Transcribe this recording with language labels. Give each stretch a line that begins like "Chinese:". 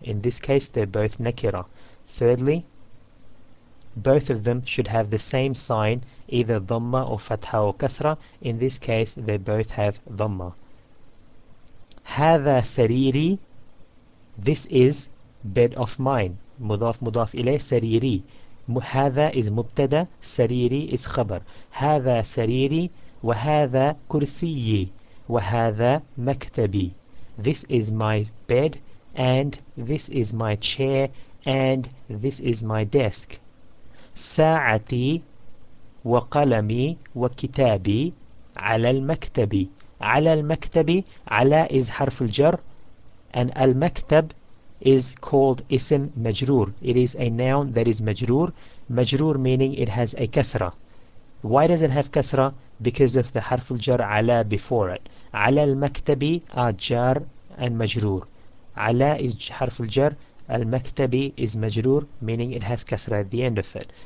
English: In this case, they're both nakira. Thirdly, both of them should have the same sign, either dhamma or fatha or kasra. In this case, they both have dhamma.
Arabic: هذا سريري,
English: this is bed of mine.
Arabic: مضاف مضاف إليه سريري. هذا is مبتدا, سريري is خبر. هذا سريري, وهذا كرسيي, وهذا مكتبي.
English: This is my bed, and this is my chair, and this is my desk.
Arabic: ساعتي وقلمي وكتابي على المكتبي. على المكتب, على is حرف الجر, and المكتب is called اسم مجرور.
English: It is a noun that is مجرور. مجرور meaning it has a كسرة. Why does it have كسرة? Because of the حرف الجر على before it.
Arabic: على المكتب
English: are جار and مجرور. Ala is harf al jar. Al maktabi is majrur, meaning it has kasra at the end of it.